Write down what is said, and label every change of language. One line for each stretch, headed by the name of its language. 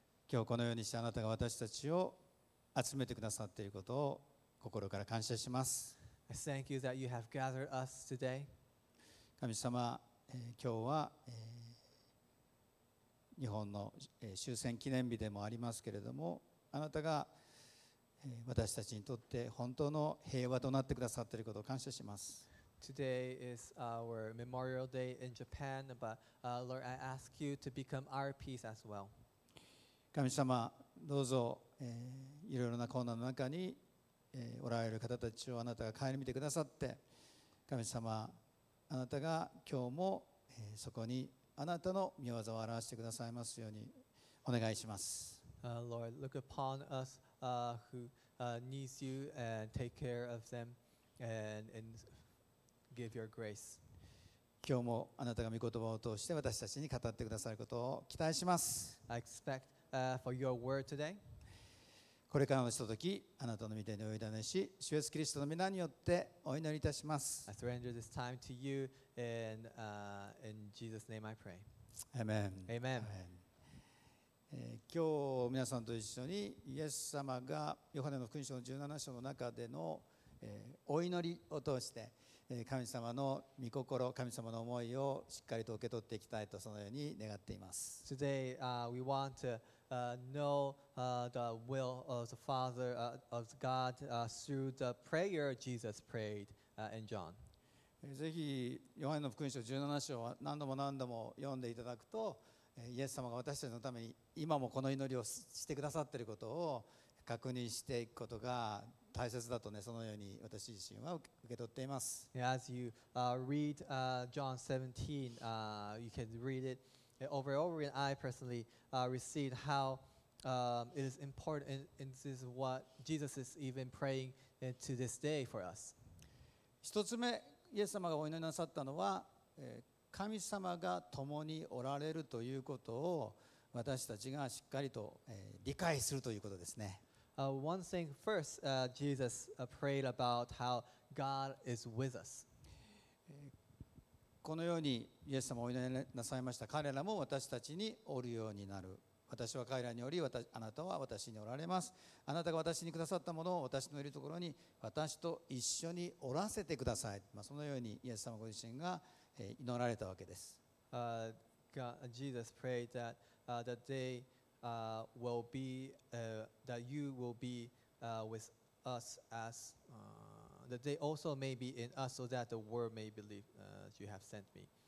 Japanese: 今日このようにしてあなたが私たちを集めてくださっていることを心から感謝します。
English: I thank you that you have gathered us today.
Japanese: 神様、今日は日本の終戦記念日でもありますけれども、あなたが私たちにとって本当の平和となってくださっていることを感謝します。
English: Today is our Memorial Day in Japan, but Lord, I ask you to become our peace as well.
Japanese: 神様、どうぞいろいろな困難の中におられる方たちをあなたが顧みてくださって、神様、あなたが今日もそこにあなたの御業を表してくださいますようにお願いします。
English: Lord, look upon us who needs you and take care of them and give your grace.
Japanese: 今日もあなたが御言葉を通して私たちに語ってくださることを期待します。
English: I expect for your word today.
Japanese: これからのひととき、あなたの御手にお委ねし、主イエスキリストの御名によってお祈りいたします。
English: I surrender this time to you, and in Jesus' name I pray. Amen. Amen. Amen.
Japanese: 今日皆さんと一緒にイエス様がヨハネの福音書の17章の中での、お祈りを通して、神様の御心、神様の思いをしっかりと受け取っていきたいと、そのように願っています。
English: Today, we want to know the will of the Father of God through the prayer Jesus prayed in John.
Japanese: ぜひヨハネの福音書17章を何度も何度も読んでいただくと、イエス様が私たちのために今もこの祈りをしてくださっていることを確認していくことが大切だとね、そのように私自身は受け取っています。
English: As you read John 17, you can read it over and over, and I personally received how it is important, and this is what Jesus is even praying to this day for us.
Japanese: 一つ目、イエス様がお祈りなさったのは、神様が共におられるということを私たちがしっかりと理解するということですね。
English: One thing first, Jesus prayed about how God is with us.
Japanese: このようにイエス様をお祈りなさいました。彼らも私たちにおるようになる。私は彼らにおり、あなたは私におられます。あなたが私にくださったものを私のいるところに私と一緒におらせてください。まあ、そのようにイエス様ご自身が祈られたわけです。
English: Jesus prayed that the day will be that you will be with us as the day also may be in us so that the world may believe you have sent me.